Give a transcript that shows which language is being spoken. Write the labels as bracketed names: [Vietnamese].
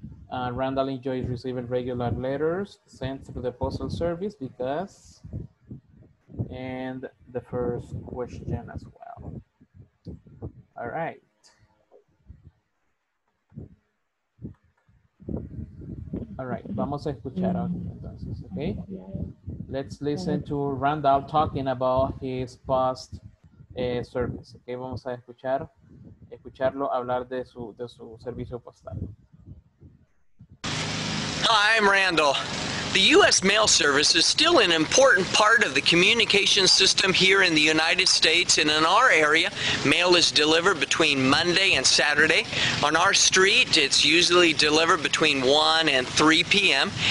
[English] Randall enjoys receiving regular letters sent through the postal service because, and the first question as well. All right. All right, [Spanish] vamos a escuchar entonces, [English] okay? Let's listen to Randall talking about his post service, okay? [Spanish] Vamos a escucharlo hablar de su servicio postal. [English] Hi, I'm Randall. The U.S. mail service is still an important part of the communication system here in the United States. And in our area, mail is delivered between Monday and Saturday. On our street, it's usually delivered between 1 and 3 p.m.